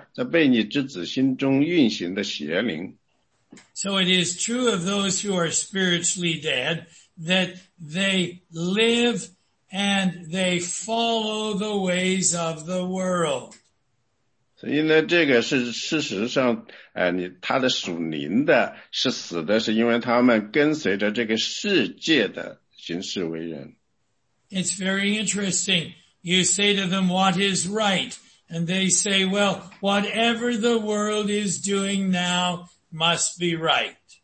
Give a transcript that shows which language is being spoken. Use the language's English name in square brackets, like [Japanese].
[Chinese] 第二节说，那时你们在其中行事为人，随从今世的风俗，顺服空中掌长者的首领，就是现在在悖逆之子心中运行的邪灵。 [English] So it is true of those who are spiritually dead that they live and they follow the ways of the world. [Chinese] 所以呢，这个是事实上，他的属灵的，是死的，是因为他们跟随着这个世界的行事为人。 [English] It's very interesting. You say to them, what is right? And they say, well, whatever the world is doing now must be right.